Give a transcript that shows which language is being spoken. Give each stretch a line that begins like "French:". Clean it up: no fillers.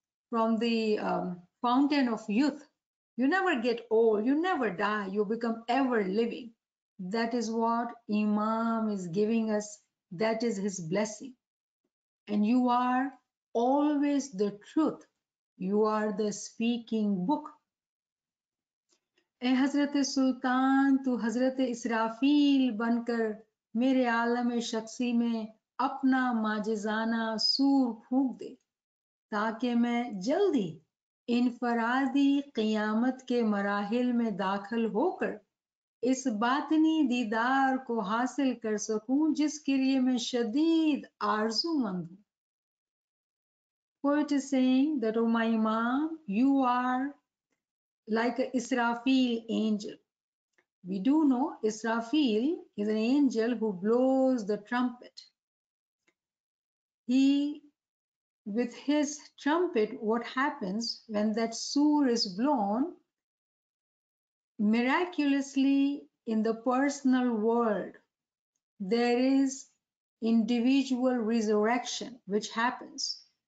English: From the fountain of youth. You never get old, you never die, you become ever living. That is what Imam is giving us, that is his blessing. and you are always the truth. You are the speaking book.
Urdu: اے حضرت سلطان تو حضرت اسرافیل بن کر میرے عالم شخصی میں اپنا معجزانہ سور پھونک دے تاکہ میں جلدی انفرادی قیامت کے مراحل میں داخل ہو کر اس باطنی دیدار کو حاصل کر سکوں جس کے لیے میں شدید آرزو مند ہوں.
English: Poet is saying that, oh my Imam, you are like a Israfil angel. We do know Israfil is an angel who blows the trumpet. He, with his trumpet, what happens when that sur is blown, miraculously in the personal world, there is individual resurrection which happens.